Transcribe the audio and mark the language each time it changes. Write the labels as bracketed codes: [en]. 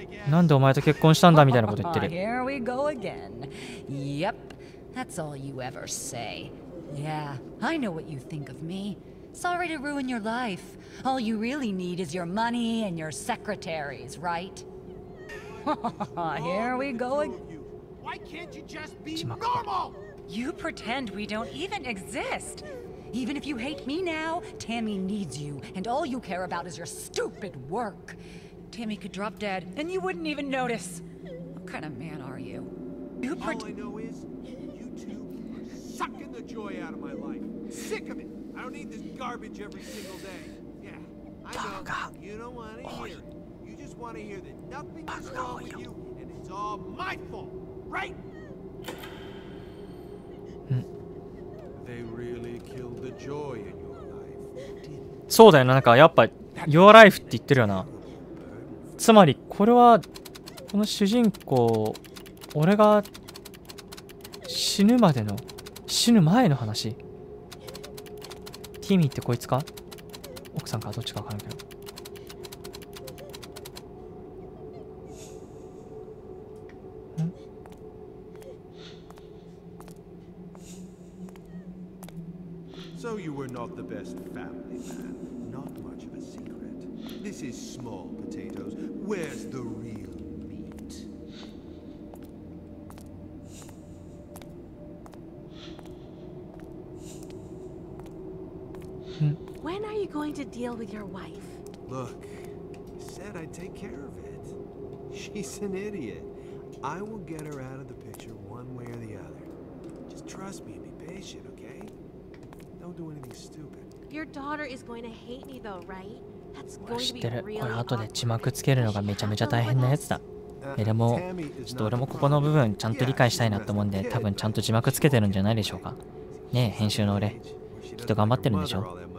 [ja] なんでお前と結婚したんだみたいなこと言ってる。 [en] Here we go again. Yep, that's all you ever say. Yeah, I know what you think of me. Sorry to ruin your life. All you really need is your money and your secretaries, right? Here we go again. Why can't you just be normal? You pretend we don't even exist. Even if you hate me now, Tammy needs you, and all you care about is your stupid work. Timmy could drop dead, and you wouldn't even notice. What kind of man are you? You part- All I know is, you two are sucking the joy out of my life. Sick of it. I don't need this garbage every single day. Yeah, I know. You don't want to hear. You just want to hear that nothing is wrong with you, and it's all my fault, right? They really killed the joy in your life, didn't they? [ja] そうだよな、なんかやっぱ、Your Life って言ってるよな。つまりこれはこの主人公、俺が死ぬまでの死ぬ前の話。ティミーってこいつか、奥さんかどっちかわからんけど。 [en] So you were not the best family man. Not much of a secret. This is small potatoes. Where's the real meat? When are you going to deal with your wife? Look, you said I'd take care of it. She's an idiot. I will get her out of the picture one way or the other. Just trust me and be patient, okay? Don't do anything stupid. Your daughter is going to hate me though, right? That's going to be really awkward. [ja] これ後で字幕つけるのがめちゃめちゃ大変なやつだ。でもちょっと俺もここの部分ちゃんと理解したいなと思うんで、多分ちゃんと字幕つけてるんじゃないでしょうか。ねえ、編集の俺きっと頑張ってるんでしょ。